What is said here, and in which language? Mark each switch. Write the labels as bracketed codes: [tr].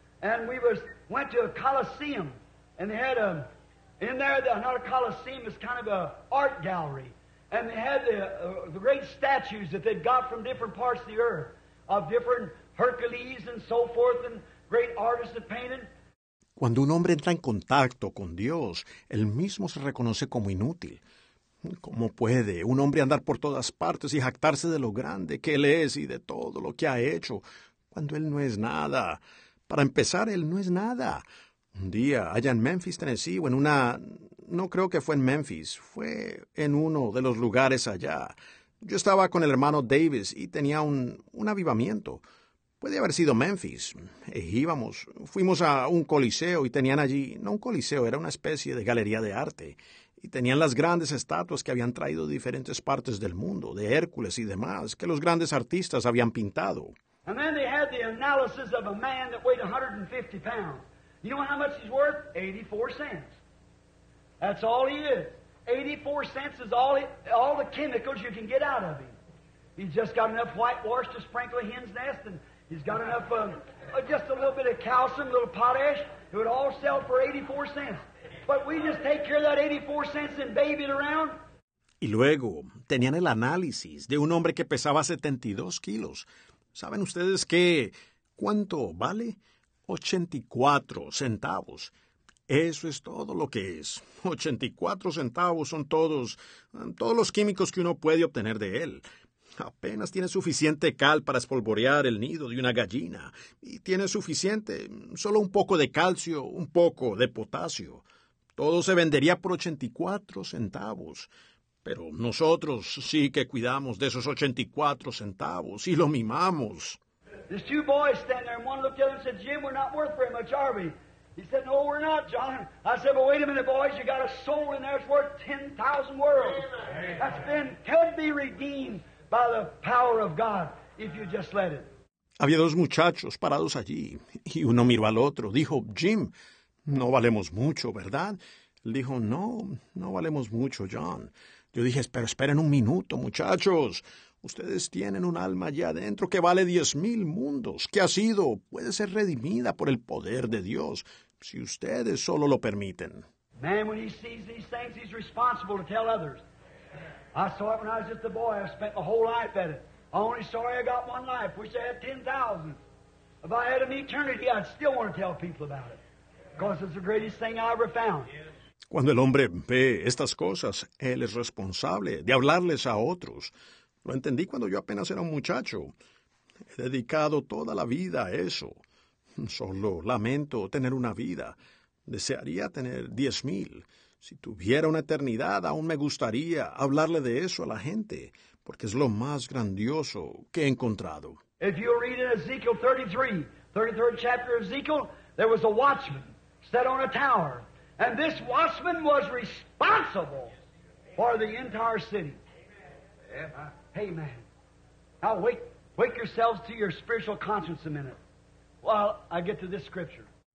[en] And we was went to a Coliseum, and they had a, in there, the, not a Coliseum, it's kind of an art gallery. And they had the great statues that they'd got from different parts of the earth, of different Hercules and so forth, and great artists that painted. [es] Cuando un hombre entra en contacto con Dios, él mismo se reconoce como inútil. ¿Cómo puede un hombre andar por todas partes y jactarse de lo grande que él es y de todo lo que ha hecho cuando él no es nada? Para empezar, él no es nada. Un día, allá en Memphis, Tennessee, o en una... No creo que fue en Memphis, fue en uno de los lugares allá. Yo estaba con el hermano Davis y tenía un avivamiento. Puede haber sido Memphis. E íbamos, fuimos a un coliseo y tenían allí... No un coliseo, era una especie de galería de arte. Y tenían las grandes estatuas que habían traído de diferentes partes del mundo, de Hércules y demás, que los grandes artistas habían pintado. [en] And then they had the analysis of a man that weighed 150 pounds. You know how much he's worth? 84 cents. That's all he is. 84 cents is all the chemicals you can get out of him. He's just got enough whitewash to sprinkle a hen's nest, and he's got enough, just a little bit of calcium, a little potash. It would all sell for 84 cents. But we just take care of that 84 cents and baby it around. [es] Y luego, tenían el análisis de un hombre que pesaba 72 kilos. ¿Saben ustedes qué? ¿Cuánto vale? 84 centavos. Eso es todo lo que es. 84 centavos son todos los químicos que uno puede obtener de él. Apenas tiene suficiente cal para espolvorear el nido de una gallina. Y tiene suficiente, solo un poco de calcio, un poco de potasio. Todo se vendería por 84 centavos. Pero nosotros sí que cuidamos de esos 84 centavos y lo mimamos. [en] There's two boys standing there, and one looked at them and said, Jim, we're not worth very much, are we? He said, no, we're not, John. I said, well, wait a minute, boys. You got a soul in there that's worth 10,000 worlds. Amen. That's been, could be redeemed by the power of God if you just let it. [es] Había dos muchachos parados allí, y uno miró al otro. Dijo, Jim, no valemos mucho, ¿verdad? Él dijo, no, no valemos mucho, John. Yo dije, pero esperen un minuto, muchachos. Ustedes tienen un alma allá adentro que vale 10,000 mundos. ¿Qué ha sido? Puede ser redimida por el poder de Dios, si ustedes solo lo permiten. [en] Man, when he sees these things, he's responsible to tell others. I saw it when I was just a boy. I spent my whole life at it. I only sorry I got one life. Wish I had 10,000. If I had an eternity, I'd still want to tell people about it. Because it's the greatest thing I ever found. [es] Cuando el hombre ve estas cosas, él es responsable de hablarles a otros. Lo entendí cuando yo apenas era un muchacho. He dedicado toda la vida a eso. Solo lamento tener una vida. Desearía tener 10,000. Si tuviera una eternidad, aún me gustaría hablarle de eso a la gente, porque es lo más grandioso que he encontrado. [en] If you read in Ezekiel 33rd chapter of Ezekiel, there was a watchman set on a tower. And this watchman was responsible for the entire city. Amen. Now wake yourselves to your spiritual conscience a minute while I get to this scripture.